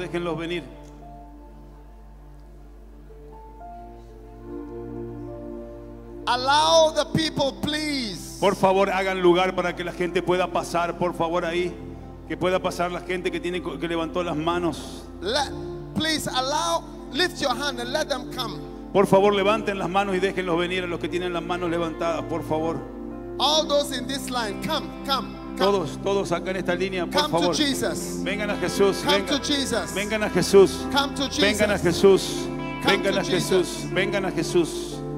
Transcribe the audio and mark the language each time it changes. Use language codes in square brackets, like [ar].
[es] Déjenlo venir. [en] Allow the people, please. [es] Por favor, hagan lugar para que la gente pueda pasar. Por favor, ahí, que pueda pasar la gente que tiene que levantó las manos. [en] Please allow, lift your hand and let them come. [es] Por favor, levanten las manos y déjenlos venir a los que tienen las manos levantadas. Por favor. [en] All those in this line, come, come. [es] Todos, todos acá en esta línea, por favor. [en] Come to Jesus. [es] Vengan a Jesús. [en] Come to Jesus. [es] Vengan a Jesús. [en] Come to Jesus. [es] Vengan a Jesús. Vengan a Jesús. Vengan a Jesús.